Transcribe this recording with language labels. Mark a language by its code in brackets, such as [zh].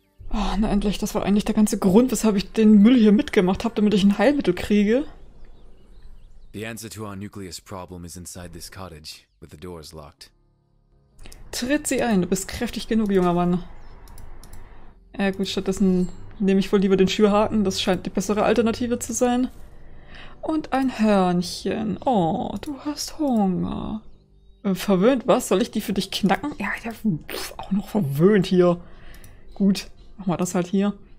[de] Oh, na endlich, das war eigentlich der ganze Grund, weshalb ich den Müll hier mitgemacht habe, damit ich ein Heilmittel kriege. [en] The answer to our nucleus problem is inside this cottage, with the doors locked. [de] Tritt sie ein, du bist kräftig genug, junger Mann. Ja gut, stattdessen nehme ich wohl lieber den Schürhaken, das scheint die bessere Alternative zu sein. Und ein Hörnchen. Oh, du hast Hunger. Verwöhnt, was? Soll ich die für dich knacken? Ja, der ist auch noch verwöhnt hier. Gut. Machen wir das halt hier.